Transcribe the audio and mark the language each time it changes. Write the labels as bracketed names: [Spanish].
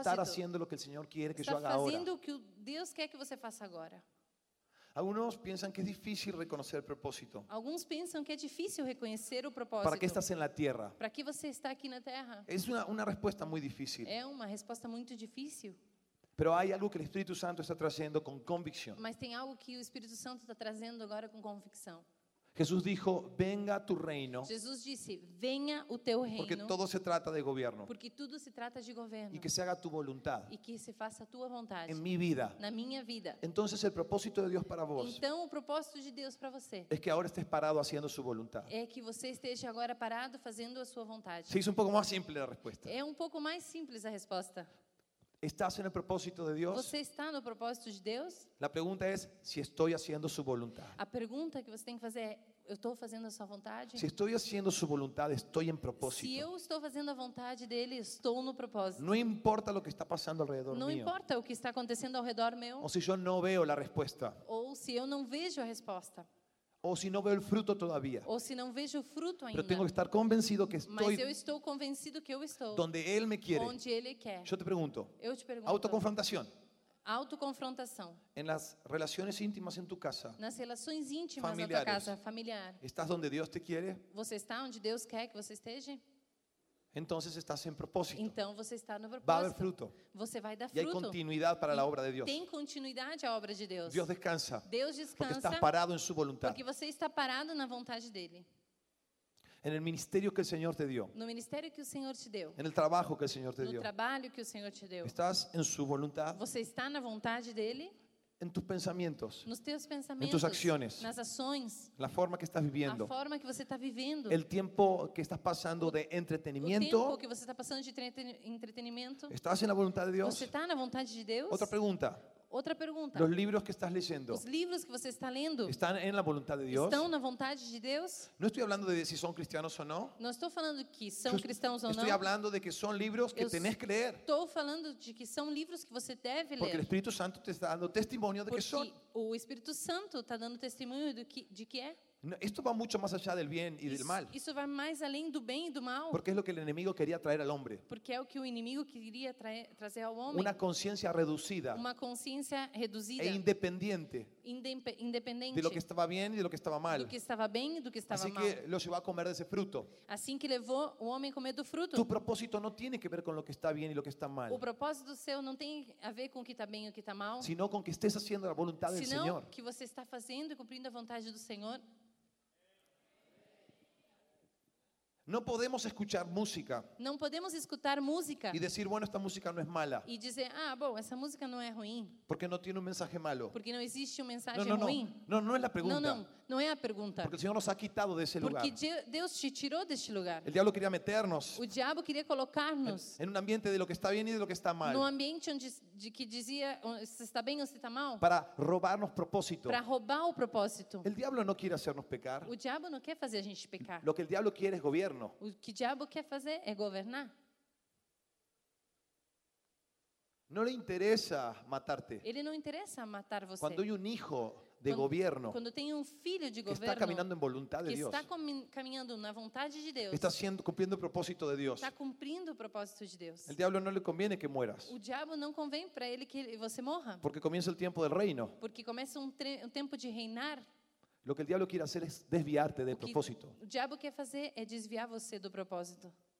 [Portuguese] Estar fazendo o que o Senhor quer que eu haga agora. Estar fazendo o que Deus quer que você faça agora. Alguns pensam que é difícil reconhecer o propósito. Alguns pensam que é difícil reconhecer o propósito. Para que estás na Terra? Para que você está aqui na Terra? É uma resposta muito difícil. É uma resposta muito difícil. [Spanish] Pero hay algo que el Espíritu Santo está trazendo con convicción. [Portuguese] Mas tem algo que o Espírito Santo está trazendo agora com convicção. [Spanish] Jesús dijo, "Venga tu reino." [Portuguese] Jesus disse, "Venha o teu reino." [Spanish] Porque todo se trata de gobierno. [Portuguese] Porque tudo se trata de governo. [Spanish] Y que se haga tu voluntad. [Portuguese] E que se faça a tua vontade. [Spanish] En mi vida. [Portuguese] Na minha vida. [Spanish] Entonces el propósito de Dios para vos. [Portuguese] Então o propósito de Deus para você. [Spanish] Es que ahora estés parado haciendo su voluntad. [Portuguese] É que você esteja agora parado fazendo a sua vontade. [Spanish] Sí, es un poco más simple la respuesta. [Portuguese] É um pouco mais simples a resposta. [Spanish] ¿Estás en el propósito de Dios? [Portuguese] Você está no propósito de Deus? [Spanish] La pregunta es si estoy haciendo su voluntad. [Portuguese] A pergunta que você tem que fazer é: eu estou fazendo a sua vontade? [Spanish] Si estoy haciendo su voluntad, estoy en propósito. [Portuguese] Se eu estou fazendo a vontade dele, estou no propósito. [Spanish] No importa lo que está pasando alrededor [Portuguese] mío. Não importa o que está acontecendo ao redor meu. [Spanish] O si yo no veo la respuesta. [Portuguese] Ou se eu não vejo a resposta. [Spanish] O si no veo el fruto todavía. O si no veo el fruto ainda. Pero tengo que estar convencido que estoy. [Portuguese] Mas eu estou convencido que eu estou. [Spanish] Donde él me quiere. [Portuguese] Onde ele quer. [Spanish] Yo te pregunto. [Portuguese] Eu te pergunto. [Spanish] Autoconfrontación. [Portuguese] Autoconfrontação. [Spanish] En las relaciones íntimas en tu casa. [Portuguese] Nas relações íntimas da tua casa familiar. [Spanish] ¿Estás donde Dios te quiere? [Portuguese] Você está onde Deus quer que você esteja? [Spanish] Entonces estás en propósito. [Portuguese] Então você está no propósito. [Spanish] Va a haber fruto. [Portuguese] Você vai dar fruto. [Spanish] Y hay continuidad para la obra de Dios. [Portuguese] Tem continuidade à obra de Deus. [Spanish] Dios descansa. [Portuguese] Deus descansa. [Spanish] Porque estás parado en su voluntad. [Portuguese] Porque você está parado na vontade dele. [Spanish] En el ministerio que el Señor te dio. [Portuguese] No ministério que o Senhor te deu. [Spanish] En el trabajo que el Señor te dio. [Portuguese] No trabalho que o Senhor te deu. [Spanish] Estás en su voluntad. [Portuguese] Você está na vontade dele. [Spanish] En tus pensamientos. [Portuguese] Nos teus pensamentos. [Spanish] En tus acciones. [Portuguese] Nas ações. [Spanish] La forma que estás viviendo. [Portuguese] A forma que você está vivendo. [Spanish] El tiempo que estás pasando de entretenimiento. [Portuguese] O tempo que você está passando de entretenimento. [Spanish] ¿Estás en la voluntad de Dios? [Portuguese] Você está na vontade de Deus? [Spanish] Otra pregunta. [Portuguese] Outra pergunta. [Spanish] Los libros que estás leyendo. [Portuguese] Os livros que você está lendo. [Spanish] ¿Están en la voluntad de Dios? [Portuguese] Estão na vontade de Deus? [Spanish] No estoy hablando de si son cristianos o no. [Portuguese] Não estou falando que são cristãos ou não. [Spanish] Estoy hablando de que son libros que tenés que leer. [Portuguese] Estou falando de que são livros que você deve ler. [Spanish] Porque el Espíritu Santo te está dando testimonio de que son. [Portuguese] Porque o Espírito Santo está dando testemunho de que é. [Spanish] No, esto va mucho más allá del bien y del mal. [Portuguese] Isso vai mais além do bem e do mal. [Spanish] Porque es lo que el enemigo quería traer al hombre. [Portuguese] Porque é o que o inimigo queria trazer ao homem. [Spanish] Una conciencia reducida. [Portuguese] Uma consciência reduzida. [Spanish] E independiente. [Portuguese] Independente. [Spanish] De lo que estaba bien y de lo que estaba mal. [Portuguese] Do que estava bem e do que estava mal. [Spanish] Así que lo llevó a comer de ese fruto. [Portuguese] Assim que levou o homem a comer do fruto. [Spanish] Tu propósito no tiene que ver con lo que está bien y lo que está mal. [Portuguese] O propósito seu não tem a ver com o que está bem e o que está mal. [Spanish] Sino con que estés haciendo la voluntad del Señor. [Portuguese] Que você está fazendo e cumprindo a vontade do Senhor. [Spanish] No podemos escuchar música. [Portuguese] Não podemos escutar música. [Spanish] Y decir, bueno, esta música no es mala. [Portuguese] E dizer, ah, bom, essa música não é ruim. [Spanish] Porque no tiene un mensaje malo. [Portuguese] Porque não existe um mensagem no, no, ruim. [Spanish] No, no es la pregunta. [Portuguese] Não, não, não é a pergunta. [Spanish] Porque el Señor nos ha quitado de ese [Portuguese] Porque lugar. Porque Deus te tirou deste lugar. [Spanish] El diablo quería meternos. [Portuguese] O diabo queria colocarnos. [Spanish] En un ambiente de lo que está bien y de lo que está mal. [Portuguese] Num ambiente onde de que dizia se está bem ou se está mal. [Spanish] Para robarnos propósito. [Portuguese] Para roubar o propósito. [Spanish] El diablo no quiere hacernos pecar. [Portuguese] O diabo não quer fazer a gente pecar. [Spanish] Lo que el diablo quiere es gobierno. [Portuguese] O que diabo quer fazer é governar? Não lhe interessa matar-te. Ele não interessa matar você. Quando tem um filho de governo. Quando tem um filho de governo. Está caminhando em vontade de Deus. Está caminhando na vontade de Deus. Está sendo cumprindo o propósito de Deus. Está cumprindo o propósito de Deus. O diabo não lhe [Spanish] conviene que mueras. [Portuguese] O diabo não convém para ele que você morra. Porque começa o tempo do reino. Porque começa um tempo de reinar. [Spanish] Lo que el diablo quiere hacer es desviarte del propósito. [Portuguese] O diabo quer fazer é desviar você do propósito.